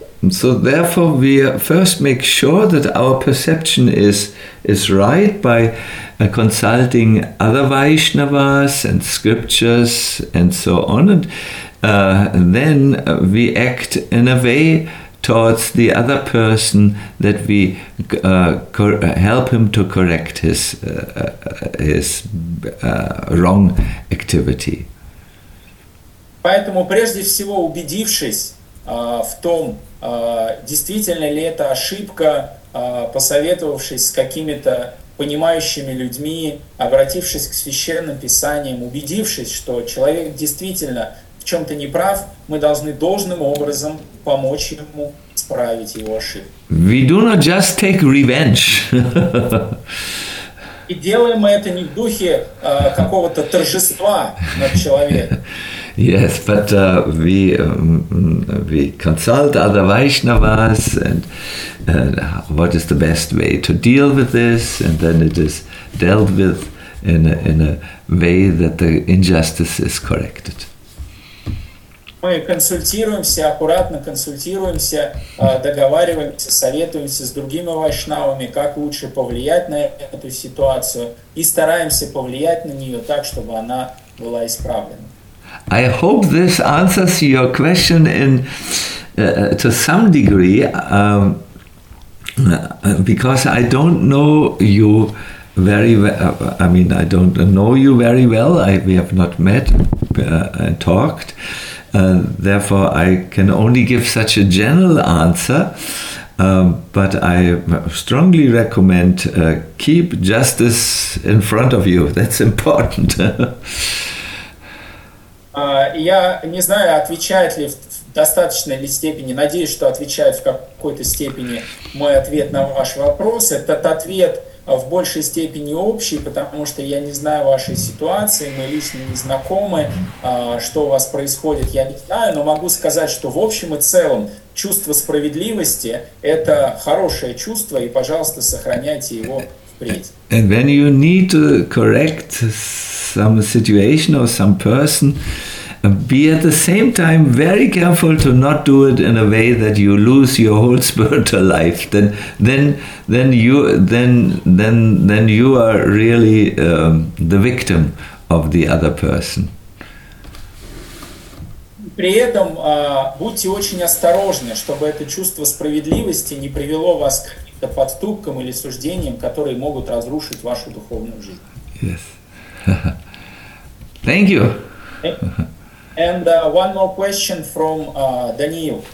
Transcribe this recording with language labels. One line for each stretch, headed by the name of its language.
English: So therefore, we first make sure that our perception is right by consulting other Vaishnavas and scriptures and so on, and then we act in a way towards the other person that we help him to correct his wrong activity.
Russian: Поэтому прежде всего убедившись в том, действительно ли это ошибка, посоветовавшись с какими-то понимающими людьми, обратившись к священным писаниям, убедившись, что человек действительно в чем-то неправ, мы должны должным образом помочь ему исправить его ошибку.
English: We do not just take revenge.
Russian: И делаем мы это не в духе какого-то торжества над человеком.
English: Yes, but we consult other Vaishnavas and what is the best way to deal with this, and then it is dealt with in a way that the injustice is corrected.
Russian: Мы консультируемся, аккуратно консультируемся, договариваемся, советуемся с другими вайшнавами, как лучше повлиять на эту ситуацию, и стараемся повлиять на нее так, чтобы она была исправлена.
English: I hope this answers your question in to some degree, because I don't know you very well. I mean, I don't know you very well. We have not met and talked. Therefore, I can only give such a general answer. But I strongly recommend keep justice in front of you. That's important.
Russian: Я не знаю, отвечает ли в достаточной степени, надеюсь, что отвечает в какой-то степени мой ответ на ваш вопрос. Этот ответ в большей степени общий, потому что я не знаю вашей ситуации, мы лично не знакомы, что у вас происходит, я не знаю, но могу сказать, что в общем и целом чувство справедливости – это хорошее чувство, и, пожалуйста, сохраняйте его впредь.
English: And when you need to correct some situation or some person, be at the same time very careful to not do it in a way that you lose your whole spiritual life. Then you are really the victim of the other person.
Russian: При этом будьте очень осторожны, чтобы это чувство справедливости не привело вас к каким-то поступкам или суждениям, которые могут разрушить вашу духовную жизнь.
English: Yes. Thank you. And one more question from Daniil.